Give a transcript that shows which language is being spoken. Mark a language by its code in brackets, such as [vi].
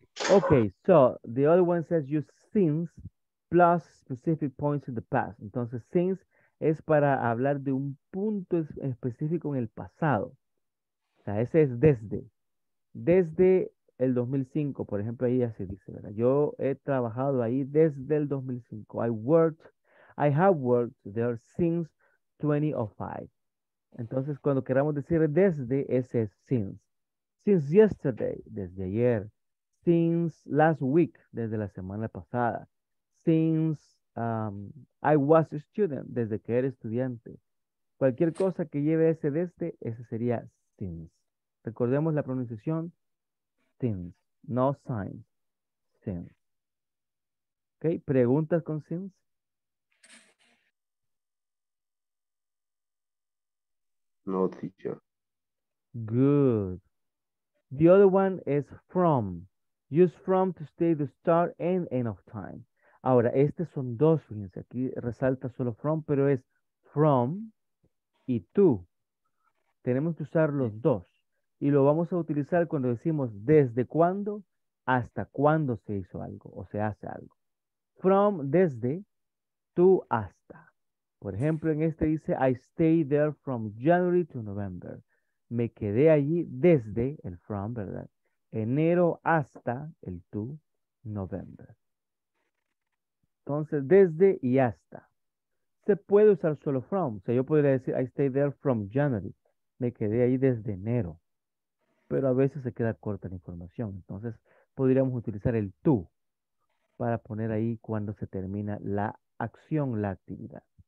[en] Okay, so the other one says use since plus specific points in the past. [es] Entonces, since es para hablar de un punto específico en el pasado. O sea, ese es desde. Desde el 2005, por ejemplo, ahí ya se dice, ¿verdad? Yo he trabajado ahí desde el 2005. I have worked there since 2005. Entonces, cuando queramos decir desde, ese es since. Since yesterday, desde ayer. Since last week, desde la semana pasada. [en] Since I was a student, desde que era estudiante. [es] Cualquier cosa que lleve ese desde, ese sería since. Recordemos la pronunciación, since, no sign, since. ¿Ok? ¿Preguntas con since? [en] No, teacher. Good. The other one is from. Use from to state the start and end of time. [es] Ahora, son dos, fíjense. Aquí resalta solo from, pero es from y to. Tenemos que usar los dos. Y lo vamos a utilizar cuando decimos desde cuándo hasta cuándo se hizo algo o se hace algo. From, desde, to, hasta. Por ejemplo, en este dice, I stayed there from January to November. Me quedé allí desde el from, ¿verdad? Enero hasta el to November. Entonces, desde y hasta. Se puede usar solo from. [en] O sea, yo podría decir, I stayed there from January. [es] Me quedé allí desde enero. Pero a veces se queda corta la información. Entonces, podríamos utilizar el to para poner ahí cuando se termina la acción, la actividad.